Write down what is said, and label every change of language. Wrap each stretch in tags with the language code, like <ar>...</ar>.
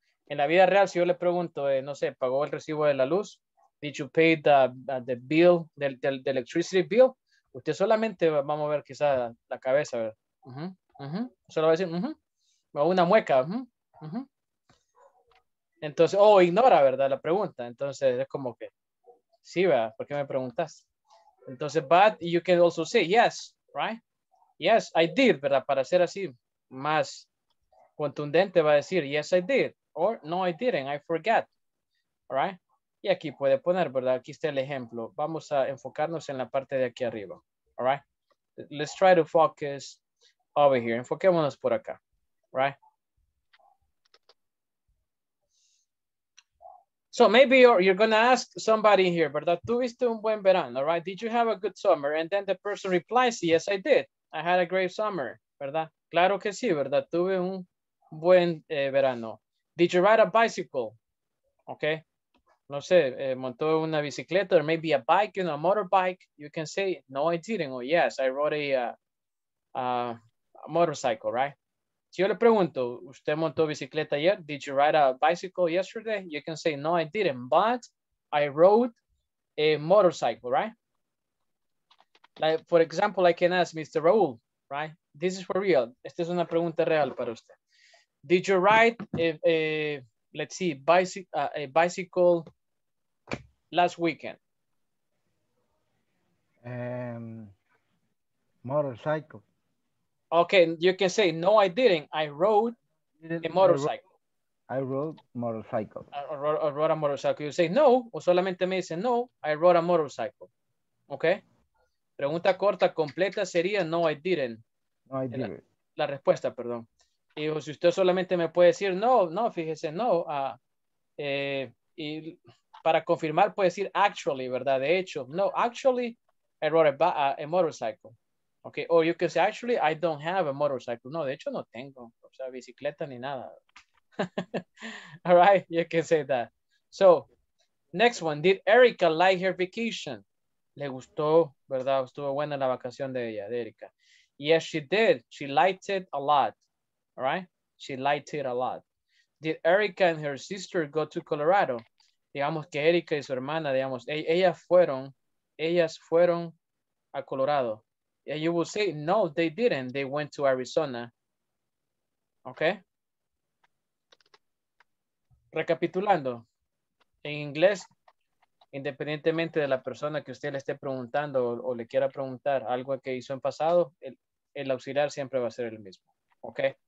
<es>En la vida real, si yo le pregunto, no sé, ¿pagó el recibo de la luz?</es> <en>Did you pay the bill, the electricity bill?</en> <es>Usted solamente va a mover quizá la cabeza, ¿verdad? Solo va a decir, una mueca. Entonces, ignora, ¿verdad? La pregunta. Entonces, es como que, sí, ¿verdad? ¿Por qué me preguntas?</es> <en>Entonces, but you can also say, yes, right? Yes, I did,</en> <es>¿verdad? Para ser así, más contundente va a decir,</es> <en>yes, I did.</en> <es>Or, no, I didn't, I forgot, right? Y aquí puede poner, ¿verdad? Aquí está el ejemplo. Vamos a enfocarnos en la parte de aquí arriba,</es> <en>all right? Let's try to focus over here.</en> <es>Enfoquémonos por acá,</es> <en>right? So maybe you're going to ask somebody here,</en> <es>¿verdad? ¿Tuviste un buen verano,</es> <en>right? Did you have a good summer? And then the person replies, yes, I did. I had a great summer,</en> <es>¿verdad? Claro que sí, ¿verdad? Tuve un buen verano.</es> <en>Did you ride a bicycle? Okay.</en> <es>No sé, montó una bicicleta</es> <en>or maybe a bike, you know, a motorbike. You can say, no, I didn't. Or yes, I rode a motorcycle, right?</en> <es>Si yo le pregunto, ¿usted montó bicicleta ayer?</es> <en>Did you ride a bicycle yesterday? You can say, no, I didn't, but I rode a motorcycle, right? Like, for example, I can ask Mr. Raul, right? This is for real.</en> <es>Esta es una pregunta real para usted.</es> <en>Did you ride a bicycle last weekend? Motorcycle. Okay, you can say, no, I didn't. I rode a motorcycle. I rode a motorcycle. You say no,</en> <es>o solamente me dice no,</es> <en>I rode a motorcycle. Okay?</en> <es>Pregunta corta, completa sería no,</es> <en>I didn't. No, I didn't.</en> <es>La respuesta, perdón. Y o, si usted solamente me puede decir no, no, fíjese, no. Y para confirmar puede decir actually, ¿verdad? De hecho, no,</es> <en>actually, I rode a motorcycle. Okay? Or you can say actually, I don't have a motorcycle.</en> <es>No, de hecho no tengo, o sea, bicicleta ni nada.</es> <en>All right, you can say that. So, next one. Did Erica like her vacation?</en> <es>Le gustó, ¿verdad? Estuvo buena la vacación de ella, de Erica.</es> <en>Yes, she did. She liked it a lot. All right? She liked it a lot. Did Erica and her sister go to Colorado?</en> <es>Digamos que Erica y su hermana, digamos, ellas fueron a Colorado.</es> <en>And you will say, no, they didn't. They went to Arizona. Okay?</en> <es>Recapitulando, en inglés, independientemente de la persona que usted le esté preguntando o le quiera preguntar algo que hizo en pasado, el auxiliar siempre va a ser el mismo, ¿ok?</es>